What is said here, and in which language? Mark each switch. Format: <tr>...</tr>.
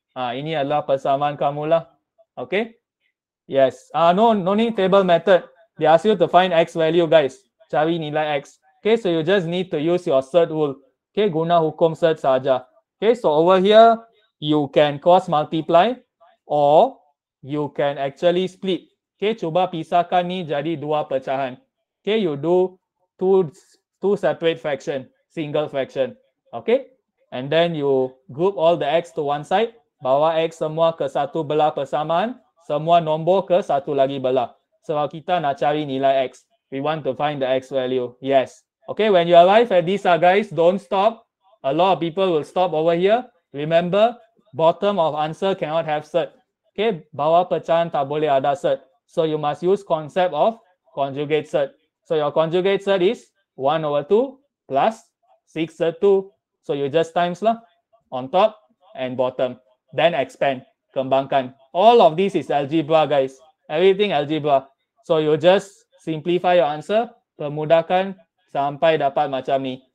<ms>Ini adalah persamaan kamu lah.</ms> <en>Okay? Yes. No need table method. They ask you to find X value, guys.</en> <ms>Cari nilai X.</ms> <en>Okay, so you just need to use your cert rule. Okay,</en> <ms>guna hukum cert saja.</ms> <en>Okay, so over here, you can cross multiply or you can actually split. Okay,</en> <ms>cuba pisahkan ni jadi dua pecahan.</ms> <en>Okay, you do two separate fraction, single fraction. Okay, and then you group all the x to one side.</en> <ms>Bawa x semua ke satu belah persamaan. Semua nombor ke satu lagi belah. Sebab kita nak cari nilai x.</ms> <en>We want to find the x value. Yes. Okay, when you arrive at this, guys, don't stop. A lot of people will stop over here. Remember, bottom of answer cannot have cert.</en> <ms>Okay, bawah pecahan tak boleh ada cert.</ms> <en>So you must use concept of conjugate cert. So your conjugate cert is 1 over 2 plus 6 cert 2. So you just times lah on top and bottom. Then expand, kembangkan. All of this is algebra, guys. Everything algebra. So you just simplify your answer,</en> <ms>permudahkan sampai dapat macam ni.</ms>